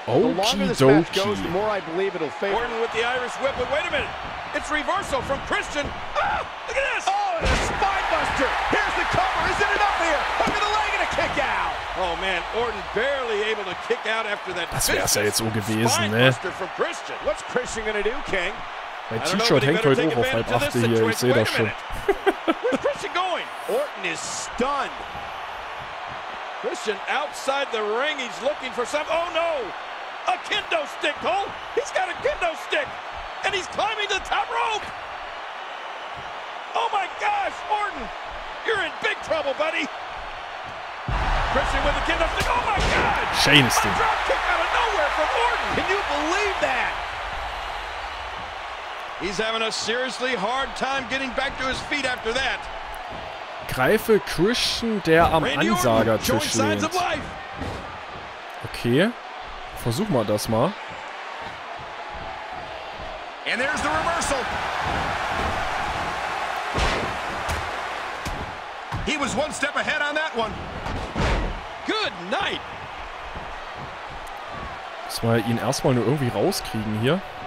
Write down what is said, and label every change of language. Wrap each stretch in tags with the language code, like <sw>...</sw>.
<en>Okey-dokey. The more I believe it'll fail. Orton with the Irish whip, but wait a minute. It's reversal from Christian. Ah, look at this. Oh, and a spinebuster. Here's the cover. Is it enough here? Look at the leg and a kick out. Oh, man. Orton barely able to kick out after that.</en> <de>Das wär's ja jetzt so gewesen, ne?</de> <en>Spinebuster from Christian. What's Christian gonna do, King?</en> <de>Mein T-Shirt hängt heute auch auf halb acht hier, ich sehe das schon.</de> <en>Where's Christian going? Orton is stunned. Christian outside the ring, he's looking for some. Oh no! A kendo stick, Cole! He's got a kendo stick! And he's climbing the top rope! Oh my gosh, Orton! You're in big trouble, buddy! Christian with a kendo stick, oh my god! Shane is still. A drop kick out of nowhere from Orton! Can you believe that? He's having a seriously hard time getting back to his feet after that.</en> <de>Greife Christian, der am Ansagertisch lehnt. Okay. Versuchen wir das mal.</de> <en>And there's the reversal. He was one step ahead on that one. Good night.</en> <de>Müssen wir ihn erstmal nur irgendwie rauskriegen hier.</de>